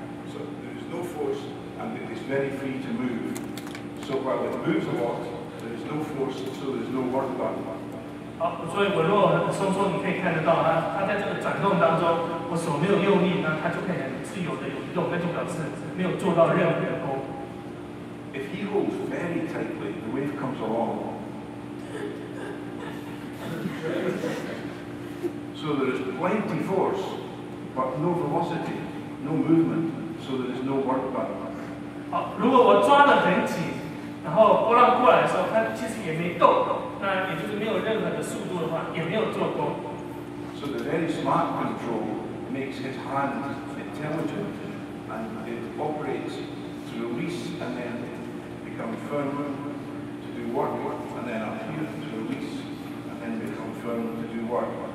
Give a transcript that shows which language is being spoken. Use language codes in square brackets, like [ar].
[en] So there is no force, and it is very free to move. So while it moves a lot, there is no force, so there's no work done. [zh] 好，所以我如果很松松，你可以看得到，它在这个转动当中，我手没有用力，那它就可以很自由的有移动，那就表示没有做到任何的功。 [en] If he holds very tightly, the wave comes along. So there is plenty force, but no velocity, no movement, so there is no work done. [zh] 如果我抓得很紧，然后波浪过来的时候，它其实也没动，那也就是没有任何的速度的话，也没有做功。 [en] So the very smart control makes his hand intelligent, and it operates to release and then become firmer to do work, and then up here to release and then become firmer to do work.